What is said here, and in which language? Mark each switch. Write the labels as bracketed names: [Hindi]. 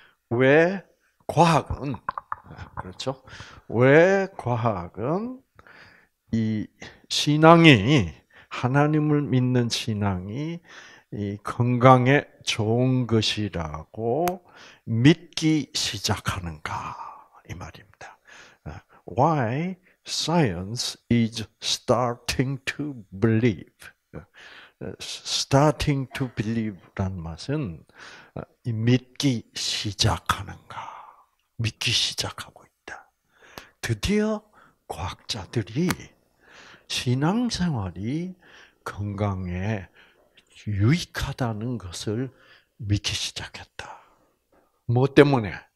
[Korean] 왜 과학은 그렇죠? 왜 과학은 이 신앙이 하나님을 믿는 신앙이 이 건강에 좋은 것이라고 믿기 시작하는가 이 말입니다. [English] Why science is starting to believe? Starting to believe [Korean] 란 말은 믿기 시작하는가, 믿기 시작하고 있다. 드디어 과학자들이 신앙생활이 건강에 유익하다는 것을 믿기 시작했다. 뭐 때문에?